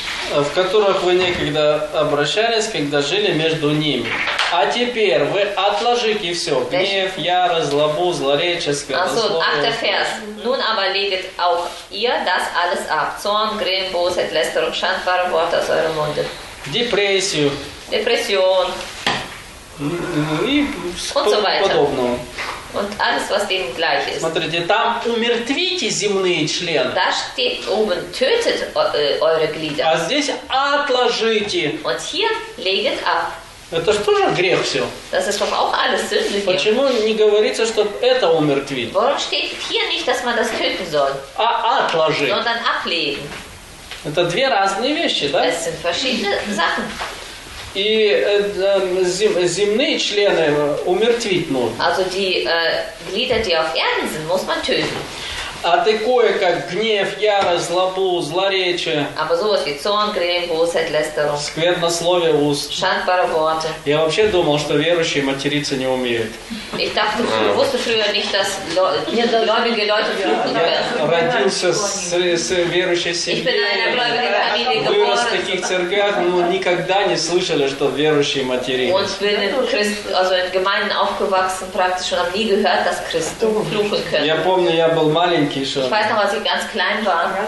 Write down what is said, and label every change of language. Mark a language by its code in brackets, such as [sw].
[ru] в которых вы некогда обращались, когда жили между ними. А теперь вы отложите все. Гнев, ярость, злобу, злоречие, скотослово. [de] Also, 8. Vers. Nun aber legt auch ihr das alles ab. Zorn, Grimm, Bosheit, Lästerung, schandbare Worte aus eurem Munde. [ru] Депрессию. [de] Depression. [ru] И [de] und so weiter. [ru] Подобного. [de] Und alles, was dem gleich ist. [ru] Смотрите, там умертвите земные члены. [de] Da steht oben, tötet eure Glieder. [ru] А здесь отложите. [de] Und hier legt ab. [ru] Это же тоже грех все. [de] Das ist doch auch alles sündig. [ru] Почему не говорится, чтобы это умертвить? [de] Warum steht hier nicht, dass man das töten soll? [ru] А отложить. [de] Sondern ablegen. [ru] Это две разные вещи, да? [de] Das sind verschiedene Sachen. [ru] И земные члены умертвить нужно. [de] Also die Glieder, die auf Erden sind, muss man töten. [ru] А такое, как гнев, ярость, злобу, злоречие. [de] Aber sowas wie Zorn, Grimm, Bosheit, Lästerung. [ru] Сквернословие уст. [de] Schandbare Worte. [ru] Я вообще думал, что верующие материться не умеют. [de] Ich dachte, ich wusste früher nicht, dass gläubige Leute fluchen können. [ru] Я родился с верующей семьей. [de] Ich bin in einer gläubigen Familie geboren. [ru] Вырос в таких церквях, но никогда не слышали, что верующие материться. [de] Und bin in Gemeinden aufgewachsen praktisch und habe nie gehört, dass Christen fluchen können. [ru] Я помню, я был маленький. [de] Ich weiß noch, als ich ganz klein war.